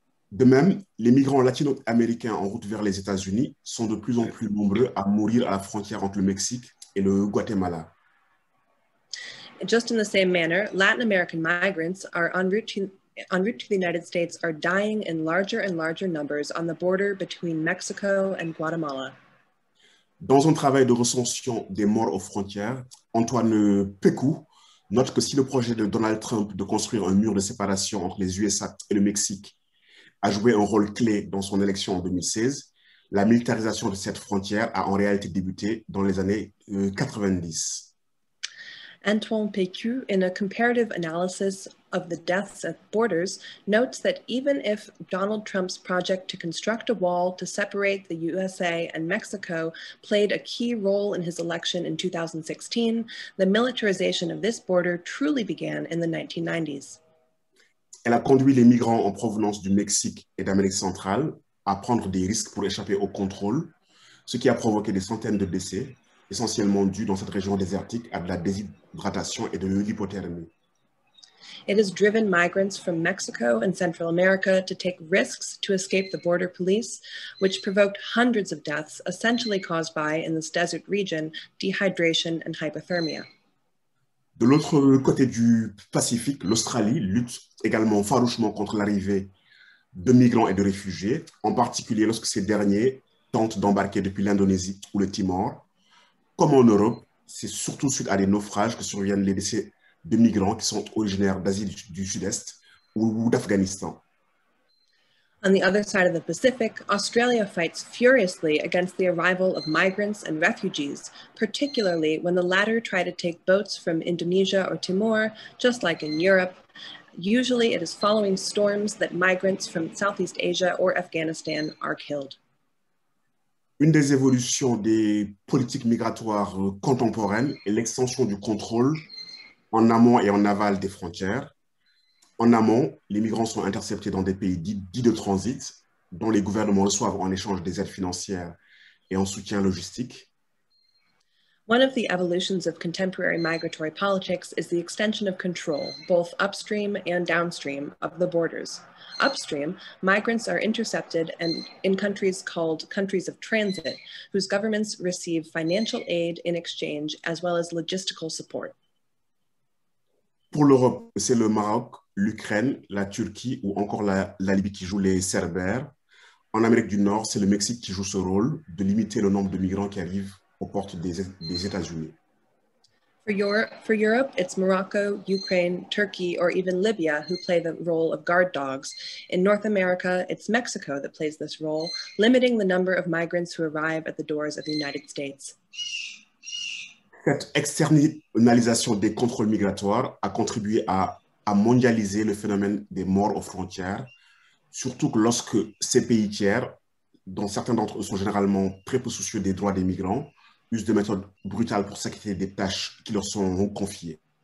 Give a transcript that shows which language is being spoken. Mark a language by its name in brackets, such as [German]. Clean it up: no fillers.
[French] De même, les migrants latino-américains en route vers les États-Unis sont de plus en plus nombreux à mourir à la frontière entre le Mexique et le Guatemala. [English] Just in the same manner, Latin American migrants are en route to the United States are dying in larger and larger numbers on the border between Mexico and Guatemala. [French] Dans un travail de recension des morts aux frontières, Antoine Pécou note que si le projet de Donald Trump de construire un mur de séparation entre les USA et le Mexique a joué un rôle clé dans son élection en 2016, la militarisation de cette frontière a en réalité débuté dans les années 90. [English] Antoine Pécu, in a comparative analysis of the deaths at borders, notes that even if Donald Trump's project to construct a wall to separate the USA and Mexico played a key role in his election in 2016, the militarization of this border truly began in the 1990s. [French] Elle a conduit les migrants en provenance du Mexique et d'Amérique centrale à prendre des risques pour échapper au contrôle, ce qui a provoqué des centaines de décès, essentiellement dû dans cette région désertique à de la déshydratation et de l'hypothermie. [English] It has driven migrants from Mexico and Central America to take risks to escape the border police, which provoked hundreds of deaths, essentially caused by, in this desert region, dehydration and hypothermia. [French] De l'autre côté du Pacifique, l'Australie lutte également farouchement contre l'arrivée de migrants et de réfugiés, en particulier lorsque ces derniers tentent d'embarquer depuis l'Indonésie ou le Timor. Comme en Europe, c'est surtout suite à des naufrages que surviennent les décès de migrants qui sont originaires d'Asie du Sud-Est ou d'Afghanistan. [English] On the other side of the Pacific, Australia fights furiously against the arrival of migrants and refugees, particularly when the latter try to take boats from Indonesia or Timor, just like in Europe. Usually it is following storms that migrants from Southeast Asia or Afghanistan are killed. [French] Une des évolutions des politiques migratoires contemporaines est l'extension du contrôle en amont et en aval des frontières. En amont, les migrants sont interceptés dans des pays dits de transit, dont les gouvernements reçoivent en échange des aides financières et en soutien logistique. [English] One of the evolutions of contemporary migratory politics is the extension of control, both upstream and downstream, of the borders. Upstream, migrants are intercepted and in countries called countries of transit, whose governments receive financial aid in exchange as well as logistical support. [French] Pour l'Europe, c'est le Maroc, l'Ukraine, la Turquie ou encore la Libye qui jouent les Cerbères. En Amérique du Nord, c'est le Mexique qui joue ce rôle de limiter le nombre de migrants qui arrivent aux portes des États-Unis. [English] For Europe, it's Morocco, Ukraine, Turkey, or even Libya who play the role of guard dogs. In North America, it's Mexico that plays this role, limiting the number of migrants who arrive at the doors of the United States. [French] Cette externalisation des contrôles migratoires a contribué à mondialiser le phénomène des morts aux frontières, surtout que lorsque ces pays tiers, dont certains d'entre eux sont généralement très peu soucieux des droits des migrants, usent de méthodes brutales pour s'acquitter des tâches qui leur sont confiées.